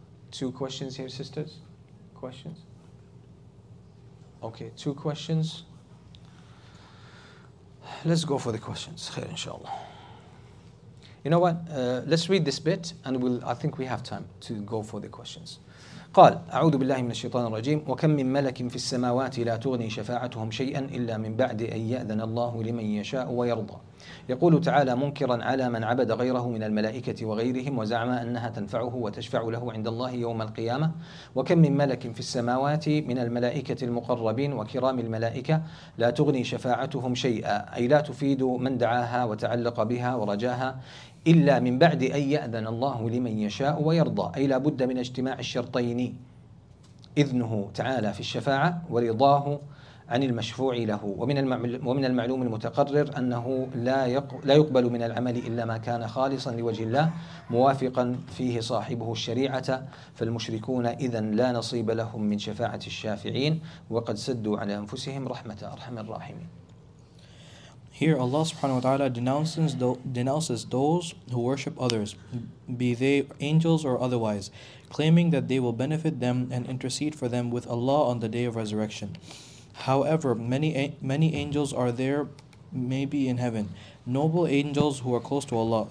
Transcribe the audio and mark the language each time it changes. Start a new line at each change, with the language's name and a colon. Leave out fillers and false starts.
English: Two questions here, sisters? Questions? Okay, two questions. Let's go for the questions, khair inshallah. You know what? Let's read this bit and I think we have time to go for the questions.
Arabic: قال أعوذ بالله من الشيطان الرجيم وكم من ملك في السماوات لا تغني شفاعتهم شيئا إلا من بعد أن يأذن الله لمن يشاء ويرضى يقول تعالى منكرا على من عبد غيره من الملائكة وغيرهم وزعم أنها تنفعه وتشفع له عند الله يوم القيامة وكم من ملك في السماوات من الملائكة المقربين وكرام الملائكة لا تغني شفاعتهم شيئا أي لا تفيد من دعاها وتعلق بها ورجاها إلا من بعد أن يأذن الله لمن يشاء ويرضى أي لا بد من اجتماع الشرطين إذنه تعالى في الشفاعة ورضاه عن المشفوع له. ومن المعلوم المتقرر أنه لا يقبل من العمل إلا ما كان خالصا لوجه الله موافقا فيه صاحبه الشريعة، فالمشركون إذن لا نصيب لهم من شفاعة الشافعين وقد سدوا على أنفسهم رحمة أرحم الراحمين.
English: Here Allah subhanahu wa ta'ala denounces those who worship others, be they angels or otherwise, claiming that they will benefit them and intercede for them with Allah on the Day of Resurrection. However, many angels are there, maybe in heaven, noble angels who are close to Allah.